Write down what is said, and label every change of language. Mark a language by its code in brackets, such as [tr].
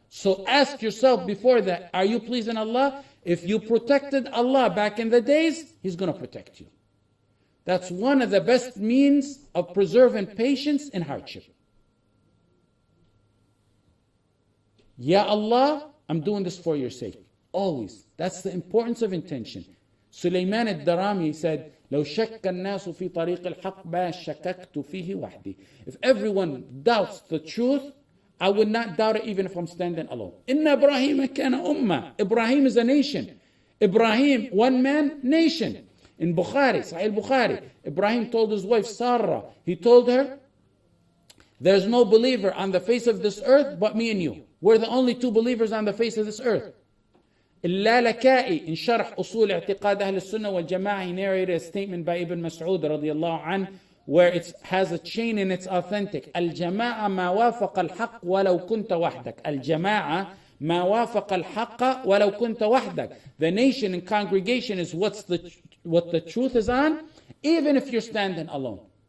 [en] So ask yourself before that, are you pleasing Allah? If you protected Allah back in the days, He's going to protect you. That's one of the best means of preserving patience in hardship. Ya Allah, I'm doing this for your sake. Always. That's the importance of intention. [ar] Sulaiman al-Darami [en] said, [ar] لو شك الناس في طريق الحق ما شككت فيه وحدي. [en] If everyone doubts the truth, I would not doubt it even if I'm standing alone. [ar] إِنَّ إِبْرَاهِيمَ كَانَ أُمَّةً. [en] Ibrahim is a nation. Ibrahim, one man, nation. In Bukhari, Sahih Bukhari, Ibrahim told his wife, Sarah, he told her, there's no believer on the face of this earth but me and you. We're the only two believers on the face of this earth. [ar] إِلَّا لَكَائِ [en] in Sharh Usul I'tiqad Ahl al-Sunnah wal Jama'ah, he narrated a statement by Ibn Mas'ud radiallahu anhu where it has a chain and it's authentic. [ar] الجماعه ما وافق الحق ولو كنت وحدك. الجماعه ما وافق الحق ولو كنت وحدك. [en] The nation and congregation is what the truth is on, even if you're standing alone.